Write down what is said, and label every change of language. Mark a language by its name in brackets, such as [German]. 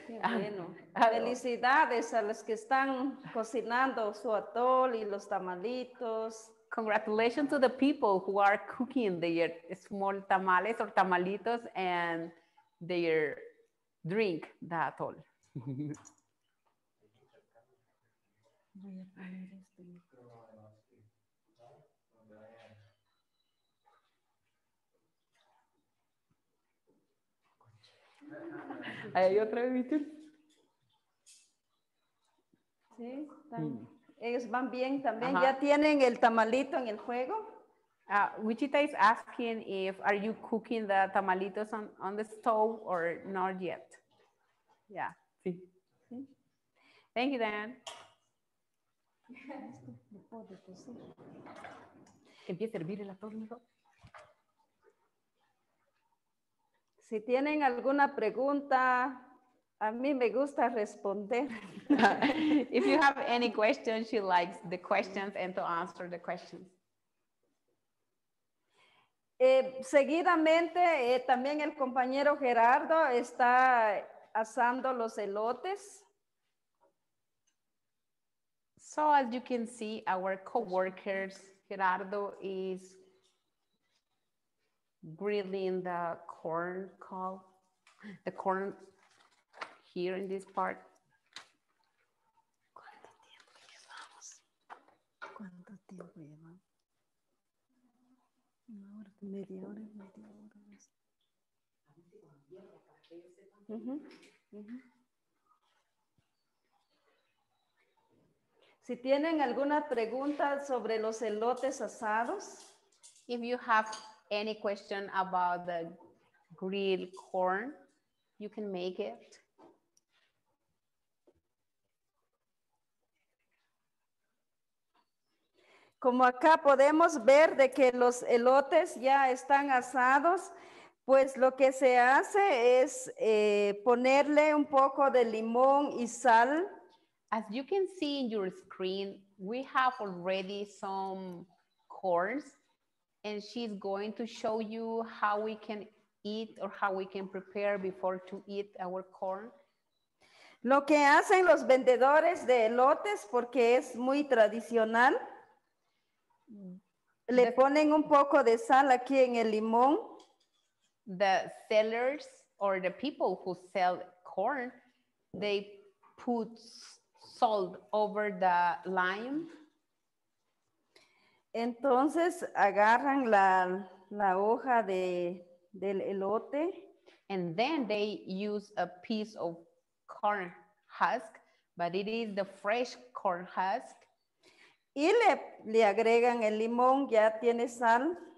[Spanish] Bueno, felicidades a los que están cocinando su atoll y los tamalitos. [English] Congratulations to the people who are cooking their small tamales or tamalitos and their drink, the atol. [Spanish] ¿Hay otra vez, Michel? Sí, está. Ellos van bien también. Uh-huh. Ya tienen el tamalito en el fuego. [English] Wichita is asking if are you cooking the tamalitos on the stove or not yet. Yeah. [Spanish] Sí. [English] Thank you, Dan. [Spanish] Empieza a hervir el atol. Si tienen alguna pregunta. A mí me gusta responder. [English] If you have any questions, she likes the questions and to answer the questions. [Spanish] Seguidamente, también el compañero Gerardo está asando los elotes. [English] So as you can see, our co-workers, Gerardo is grilling the corn cob, the corn here in this part. [Spanish] ¿Cuánto tiempo llevamos? tiempo lleva? Una hora, media hora, media hora. Si tienen alguna pregunta sobre los elotes asados. [English] If you have any question about the grilled corn, you can make it. [Spanish] Como acá podemos ver de que los elotes ya están asados, pues lo que se hace es ponerle un poco de limón y sal. [English] As you can see in your screen, we have already some corns, and she's going to show you how we can eat or how we can prepare before to eat our corn. [Spanish] Lo que hacen los vendedores de elotes, porque es muy tradicional, le ponen un poco de sal aquí en el limón. [English] The sellers or the people who sell corn, they put salt over the lime. [Spanish] Entonces agarran la hoja del elote. [English] And then they use a piece of corn husk, but it is the fresh corn husk. [Spanish] Y le agregan el limón, ya tiene sal.